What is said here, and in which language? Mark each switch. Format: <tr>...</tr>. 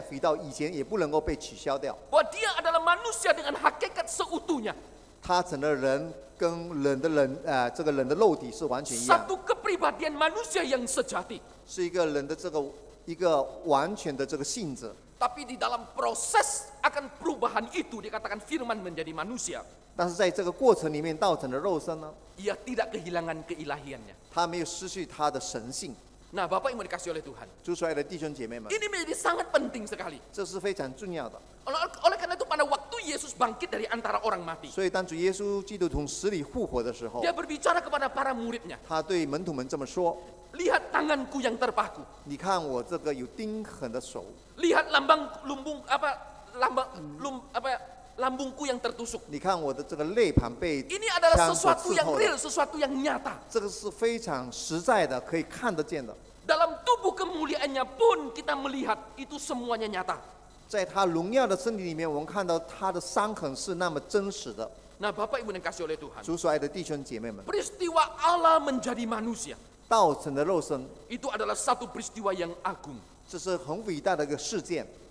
<zh>当约翰福音说到道成的肉身是一个已经完成式的，所以他就不能够再回到以前，也不能够被取消掉。</zh> <en>But</en> <id>dia adalah manusia dengan hakikat seutuhnya.</id> <zh>他整个人跟人的肉体是完全一样。</zh> <id>Satu kepribadian manusia yang sejati.</id> <zh>是一个人的这个完全的这个性质。</zh> <id>Tapi di dalam proses akan perubahan itu dikatakan Firman menjadi manusia.</id> <zh>但是在这个过程里面，道成的肉身呢？</zh> <id>Ia tidak kehilangan keilahiannya.</id> <zh>他没有失去他的神性。</zh> <id>Nah, Bapak yang dikasihi oleh Tuhan.</id> <zh>主所爱的弟兄姐妹们。</zh> <id>Ini menjadi sangat penting sekali.</id> <zh>这是非常重要的。</zh> <id>Oleh karena itu pada waktu Yesus bangkit dari antara orang mati.</id> <zh>所以当主耶稣基督从死里复活的时候。</zh> <id>Dia berbicara kepada para muridnya.</id> <zh>他对门徒们这么说。</zh> <id>Lihat tanganku yang terpaku.</id> <zh>你看我这个有钉痕的手。</zh> <id>Lihat lambungku yang tertusuk.</id> <zh>你看我的这个肋旁被</zh> <id>Ini adalah sesuatu yang real, sesuatu yang nyata.</id> <zh>这个是非常实在的, 可以看得见的。</zh> <id>Dalam tubuh kemuliaannya pun kita melihat itu semuanya nyata.</id> <zh>在他荣耀的身体里面, 我们看到他的伤痕是那么真实的。</zh> <id>Nah, Bapak Ibu yang kasih oleh Tuhan.</id> <zh>主所爱的弟兄姐妹们。</zh> <id>Peristiwa Allah menjadi manusia.</id> <zh>道成的肉身,</zh> <id>itu adalah satu peristiwa yang agung.</id> <zh>这是很伟大的一个事件。</zh>